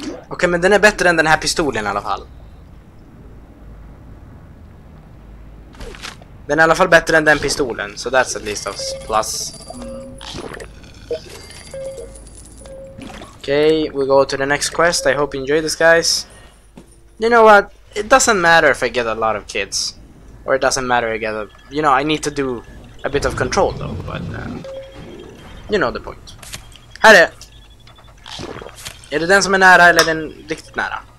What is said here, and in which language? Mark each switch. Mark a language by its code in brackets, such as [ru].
[sv] Okay, men den är bättre än den här pistolen i alla fall. Den är i alla fall bättre än den pistolen, [en] so that's at least a plus. Okay, we go to the next quest. I hope you enjoy this, guys. You know what? It doesn't matter if I get a lot of kids. Or it doesn't matter if I get a... You know, I need to do a bit of control, though, but... you know the point. [sv] Här är! Är det den som är nära eller den riktigt nära?